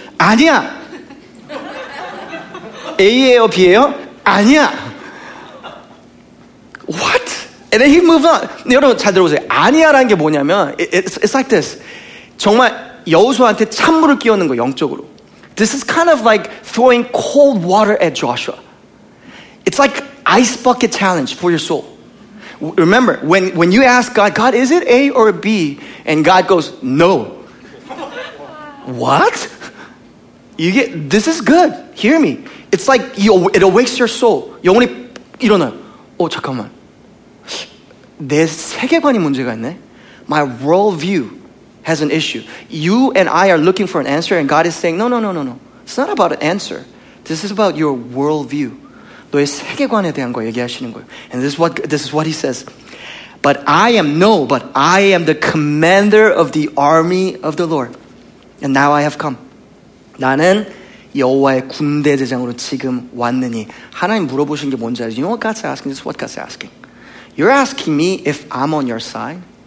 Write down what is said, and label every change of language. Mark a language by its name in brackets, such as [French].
[Korean] 아니야. A예요, B예요? 아니야. [English] What? And then he moved on. [Korean] 여러분 잘 들어보세요. 아니야라는 게 뭐냐면 [English] it's like this. [Korean] 정말 여호수아한테 찬물을 끼얹는 거 영적으로. [English] This is kind of like throwing cold water at Joshua. It's like ice bucket challenge for your soul. Remember, when you ask God, God, is it A or B? And God goes, no. What? You get, this is good. Hear me. It's like it awakes your soul. [Korean] 영혼이 일어나요. 잠깐만. 내 세계관이 문제가 있네. [English] My worldview has an issue. You and I are looking for an answer and God is saying, no, no, no, no, no. It's not about an answer. This is about your worldview. [Korean] 너의 세계관에 대한 거 얘기하시는 거예요. [English] And this is what he says. But I am the commander of the army of the Lord. And now I have come. [Korean] 나는 여호와의 군대 대장으로 지금 왔느니. 하나님 물어보신 게 뭔지 알아요? [English] You know what God's asking? This is what God's asking. You're asking me if I'm on your side?